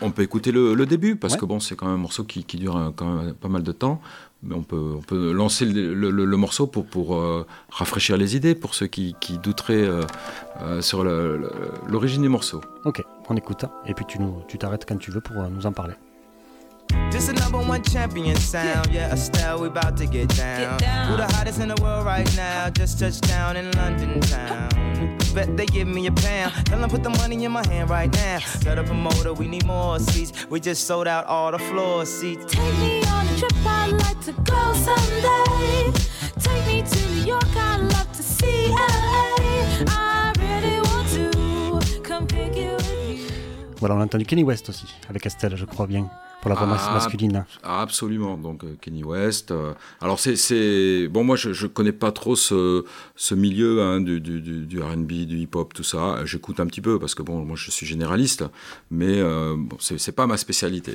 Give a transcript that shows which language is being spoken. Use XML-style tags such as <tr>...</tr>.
<fr>On peut écouter le début, parce ouais. Que bon, c'est quand même un morceau qui dure quand même pas mal de temps, mais on peut lancer le morceau pour rafraîchir les idées, pour ceux qui douteraient sur l'origine du morceau. Ok, on écoute, et puis tu t'arrêtes quand tu veux pour nous en parler.</fr> <en>This the number one champion sound, yeah, Estelle, we about to get down. Who the hottest in the world right now, just touched down in London town. Bet they give me a pound, tell them put the money in my hand right now. Tell the promoter we need more seats, we just sold out all the floor seats. Take me on a trip, I'd like to go someday. Take me to New York, I'd love to see LA. I really want to come pick you.</en> <fr>voilà, on a entendu Kanye West aussi, avec Estelle, je crois bien, pour la voix masculine. Absolument, donc Kanye West. Alors, c'est... Bon, moi, je ne connais pas trop ce milieu hein, du R&B, du hip-hop, tout ça. J'écoute un petit peu, parce que, bon, moi, je suis généraliste, mais bon, ce n'est pas ma spécialité.</fr>